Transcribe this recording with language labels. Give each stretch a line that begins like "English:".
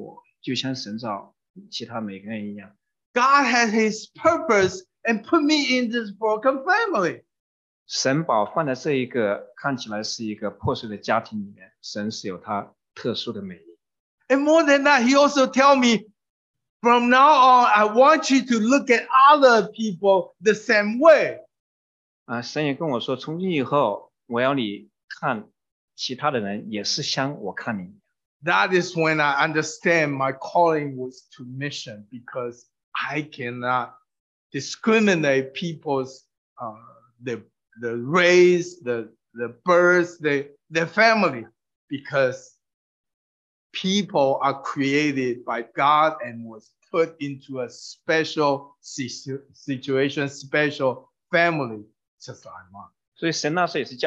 Chinese: 我突然真是就很深的看到，就是说神造我就像神造其他每个人一样。
English: God had his purpose and put me in this broken family.
Chinese: 神把我放在这一个看起来是一个破碎的家庭里面，神是有他特殊的美意。
English: And more than that, he also tell me, from now on, I want you to look at other people the same way.
Chinese: 神也跟我说，从今以后我要你看其他的人也是像我看你。
English: That is when I understand my calling was to mission, because I cannot discriminate people's the race, the birth, the family, because people are created by God and was put into a special situation, special family, just like mine.